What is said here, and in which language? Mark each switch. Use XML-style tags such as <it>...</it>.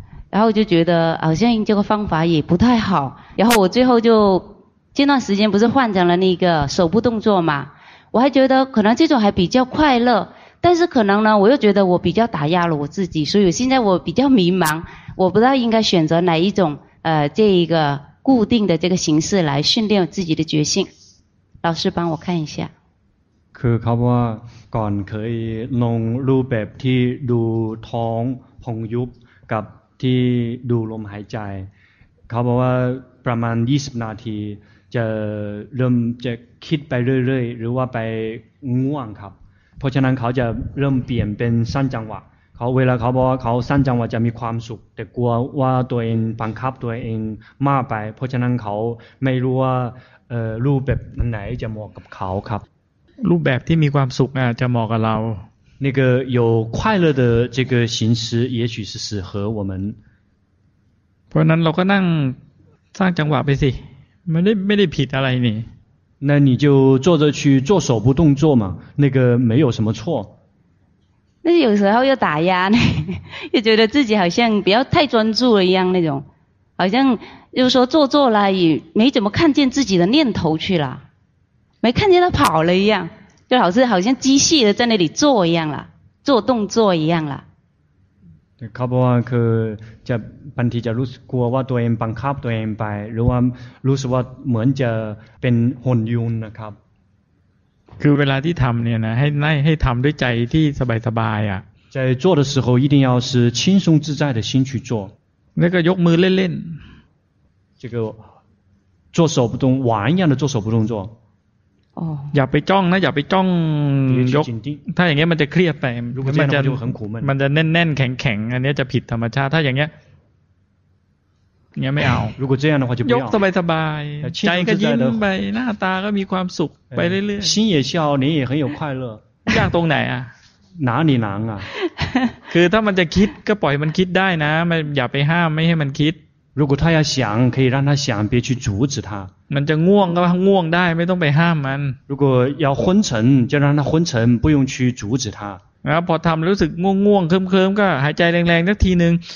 <zh>然后就觉得好像这个方法也不太好然后我最后就这段时间不是换成了那个手部动作嘛我还觉得可能这种还比较快乐但是可能呢我又觉得我比较打压了我自己所以现在我比较迷茫我不知道应该选择哪一种这一个固定的这个形式来训练自己的决心老师帮我看一下</zh> <th>คือเขาบอกว่าก่อนเคยลงรูปแบบที่ดูท้องพองยุบกับที่ดูลมหายใจเขาบอกว่าประมาณ20นาทีจะเริ่มจะคิดไปเรื่อยๆหรือว่าไปง่วงครับเพราะฉะนั้นเขาจะเริ่มเปลี่ยนเป็นสั้นจังหวะเขาเวลาเขาบอกเขาสั้นจังหวะจะมีความสุขแต่กลัวว่าตัวเองบังคับตัวเองมากไปเพราะฉะนั้นเขาไม่รู้ว่ารูปแบบไหนจะเหมาะกับเขาครับ รูปแบบที่มีความสุขจะเหมาะกับเรา</th> <zh>那个有快乐的这个形式也许是适合我们</zh> <th>เพราะนั้นเราก็นั่งสร้างจังหวะไปสิไม่ได้ผิดอะไรนี่</th> <zh>那你就坐着去做手部动作嘛那个没有什么错但是有时候又打压呢又觉得自己好像不要太专注了一样那种好像又说做作了也没怎么看见自己的念头去了没看见他跑了一样就老是好像机械的在那里做一样了做动作一样了</zh> <th>เขาบอกว่าคือจะบางทีจะรู้สึกกลัวว่าตัวเองบังคับตัวเองไปหรือว่ารู้สึกว่าเหมือนจะเป็นหุ่นยนต์นะครับ คือเวลาที่ทำเนี่ยนะให้ทำด้วยใจที่สบายสบายอ่ะ</th> <zh>在做的时候一定要是轻松自在的心去做那个</zh> <th>ยกมือเล่น</th> <zh>ๆ这个做手部动玩一样的做手部动作</zh> <th>อย่าไปจ้องนะอย่าไปจ้องยกถ้าอย่างเงี้ยมันจะเครียดไป มันจะ แน่นๆแข็งๆอันนี้จะผิดธรรมชาติถ้าอย่างเงี้ยไม่เอา</th> <zh>如果这样的话就不要</zh> <th>ยกสบายสบายใจก็ยิ้มไปหน้าตาก็มีความสุขไปเรื่อยๆ</th> <zh>心也笑脸也很有快乐</zh> <th>ยากตรงไหนอ่ ะ</th> <zh>哪里难啊</zh> <th>คือถ้ามันจะคิดก็ปล่อยมันคิดได้นะมันอย่าไปห้ามไม่ให้มันคิด</th> <zh>如果他要想可以让他想别去阻止他</zh> <th>มันจะง่วงก็ง่วงได้ไม่ต้องไปห้ามมัน</th> <zh>如果要昏沉就让他昏沉不用去阻止他</zh> <th>แล้วพอทำรู้สึกง่วงๆเคลิ้มๆก็หายใจแรงๆสักทีนึง</th>